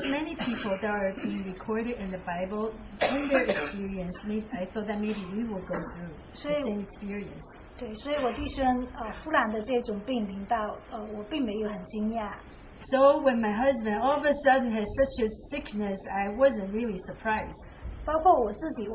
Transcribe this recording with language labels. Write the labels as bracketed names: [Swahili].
[English] many people that are being recorded in the Bible, in their experience, I thought that maybe we will go through the same experience. [Chinese] 对，所以我弟兄忽然的这种病临到，我并没有很惊讶。 [English] So when my husband all of a sudden has such a sickness, I wasn't really surprised.